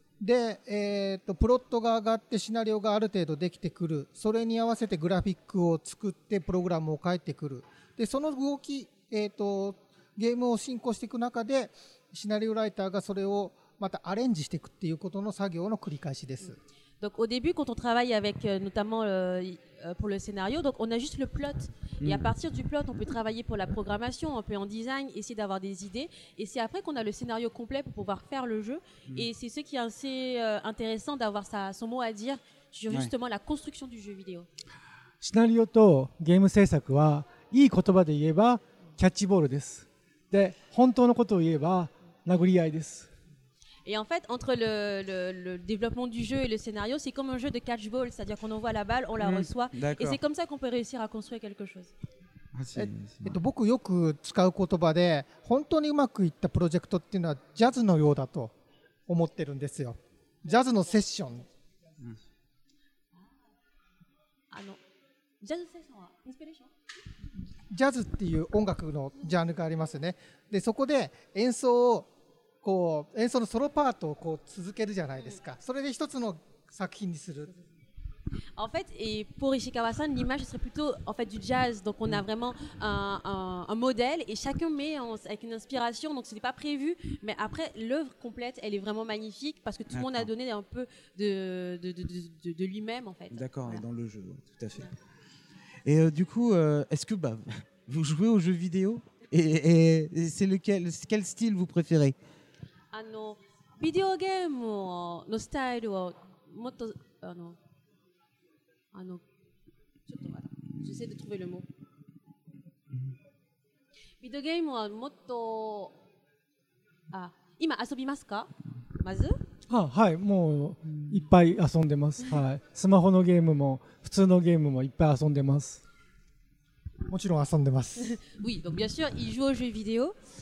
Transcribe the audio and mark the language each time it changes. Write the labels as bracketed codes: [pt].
[ja] で、プロットが上がってシナリオがある程度できてくる、それに合わせてグラフィックを作ってプログラムを書いてくる。でその動き、ゲームを進行していく中でシナリオライターがそれをまたアレンジしていくっていうことの作業の繰り返しです。 [fr] Donc au début, quand on travaille avec notamment pour le scénario, donc on a juste le plot. Et à partir du plot, on peut travailler pour la programmation, un peu en design, essayer d'avoir des idées. Et c'est après qu'on a le scénario complet pour pouvoir faire le jeu. Et c'est ce qui est assez intéressant d'avoir son mot à dire sur justement la construction du jeu vidéo. Scénario et [ja] game 制作は、いい言葉で言えばキャッチボールです。で、本当のことを言えば殴り合いです。 [fr] Et en fait, entre le développement du jeu et le scénario, c'est comme un jeu de catchball, c'est-à-dire qu'on envoie la balle, on la reçoit, et c'est comme ça qu'on peut réussir à construire quelque chose. [ja] 僕よく使う言葉で、本当にうまくいったプロジェクトっていうのはジャズのようだと思ってるんですよ。ジャズのセッション。ジャズセッションはインスピレーション？ジャズっていう音楽のジャンルがありますね。で、そこで演奏をこう演奏のソロパートをこう続けるじゃないですか。それで一つの作品にする。 [fr] En fait, et pour Ishikawa-san, l'image serait plutôt en fait du jazz. Donc, on a vraiment un modèle et chacun met en, avec une inspiration. Donc, ce n'est pas prévu. Mais après, l'œuvre complète, elle est vraiment magnifique parce que tout le monde a donné un peu de lui-même, en fait. D'accord, voilà. Et dans le jeu, tout à fait. Ouais. Et du coup, est-ce que bah, vous jouez aux jeux vidéo et c'est lequel, quel style vous préférez ? [ja] ビデオゲームのスタイルをもっとちょっと待って、 [fr] j'essaie de trouver le mot。 [ja] ビデオゲームはもっと、あ、今遊びますか？まず？あ、はい、もういっぱい遊んでます。はい、スマホのゲームも普通のゲームもいっぱい遊んでます。もちろん遊んでます。 [fr] oui, donc bien sûr, il joue aux jeux vidéo。